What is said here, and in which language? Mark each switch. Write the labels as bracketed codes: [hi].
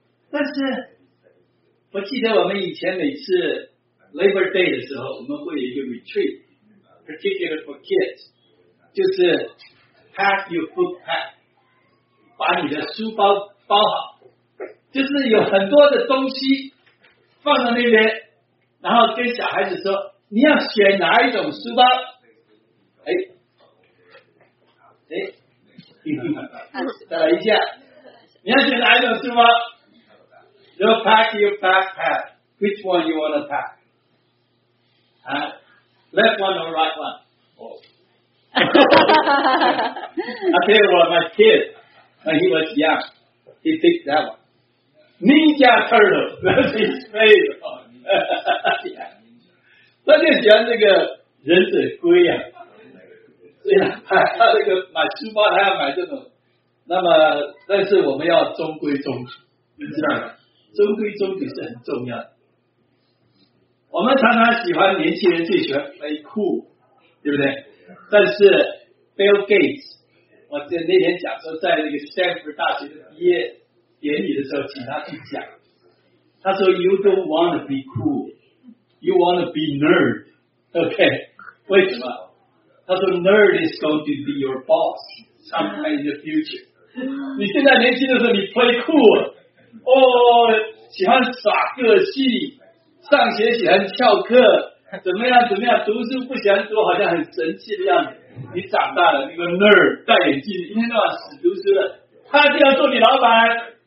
[zh] 但是我记得我们以前每次Labor Day 的时候我们会有一个 [en] retreat particular for kids， [zh] 就是 [en] pack your book pack， [zh] 把你的书包包好，就是有很多的东西放在那边，然后跟小孩子说你要选哪一种书包。哎，再来一下，你要选哪一种书包？ [en] You pack your backpack， which one you want to packLeft one or right one? Oh. I tell you what, my kid, when he was young, he picked that one. Ninja Turtle, that's his favorite one. So he likes this guy, Ren Zhe Gui. So he bought this book, he wanted to buy this one. But we have to be honest with you. You know? Honest with you is very important. [zh] 我们常常喜欢年轻人最喜欢 [en] play cool， [zh] 对不对？但是 Bill Gates， 我在那天讲说在那个 Stanford 大学的毕业典礼的时候请他去讲，他说 [en] You don't want to be cool， You want to be nerd， [zh] OK， 为什么？他说 [en] Nerd is going to be your boss sometime in the future。 [zh] 你现在年轻的时候你 [en] play cool， [zh] 哦，喜欢耍个性，上学喜欢翘课，怎么样怎么样，读书不喜欢读，好像很神气的样子。你长大了，那个 nerd 戴眼镜，一天到晚死读书的，他就要做你老板。